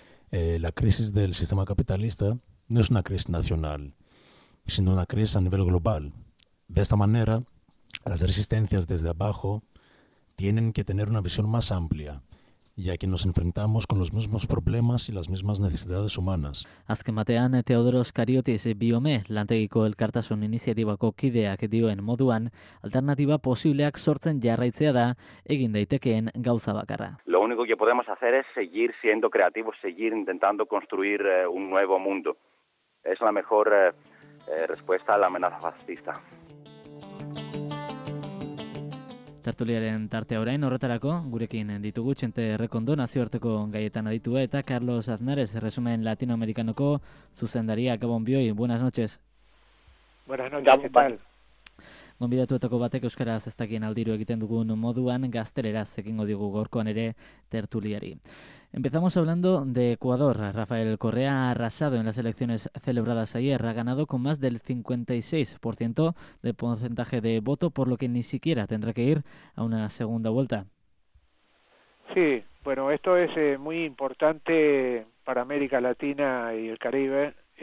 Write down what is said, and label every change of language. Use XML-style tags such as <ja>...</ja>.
<es>La crisis del sistema capitalista no es una crisis nacional, sino una crisis a nivel global. De esta manera, las resistencias desde abajo tienen que tener una visión más amplia, ya que nos enfrentamos con los mismos problemas y las mismas necesidades humanas.</es> <eu>Azken batean, Teodoros Kariotis Biome, lantegiko elkartasun iniziatibako kideak dioen moduan, alternatiba posibleak sortzen jarraitzea da, egin daitekeen gauza bakarra.</eu> <es>Lo único que podemos hacer es seguir siendo creativos, seguir intentando construir un nuevo mundo. Es la mejor respuesta a la amenaza fascista.</es> <eu>Tertuliaren tartea orain horretarako, gurekin ditugu Txente Errekondo nazioarteko gaietan aditua eta Carlos Aznarez, Resumen Latinoamericanoko zuzendaria. Gabon bioi,</eu> <es>buenas noches. Buenas noches, Gabon Pan.</es> <eu>Gonbidatuetako batek euskaraz ez dakien aldiru egiten dugun moduan gazteleraz egingo digu gorkoan ere tertuliari.</eu> <es>Empezamos hablando de Ecuador. Rafael Correa ha arrasado en las elecciones celebradas ayer. Ha ganado con más del 56% de porcentaje de voto, por lo que ni siquiera tendrá que ir a una segunda vuelta. Sí, bueno, esto es muy importante para América Latina y el Caribe.</es>